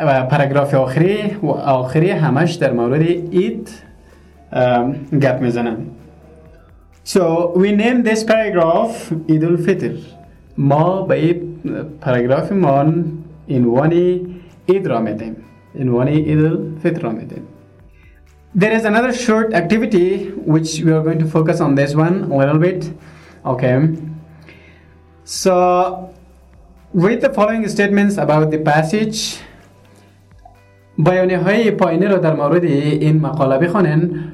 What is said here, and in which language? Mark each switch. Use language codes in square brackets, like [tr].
[fa] پاراگراف آخری و آخری همش در مورد عید گپ میزنن. [en] So we name this paragraph عید الفطر. [fa] ما به این پاراگراف ما عنوان عید را میدیم. عنوان عید الفطر را میدیم. [en] There is another short activity which we are going to focus on this one a little bit. Okay. So, read the following statements about the passage. [fa] بیانیه‌های پایینی رو در مورد این مقاله بخونین.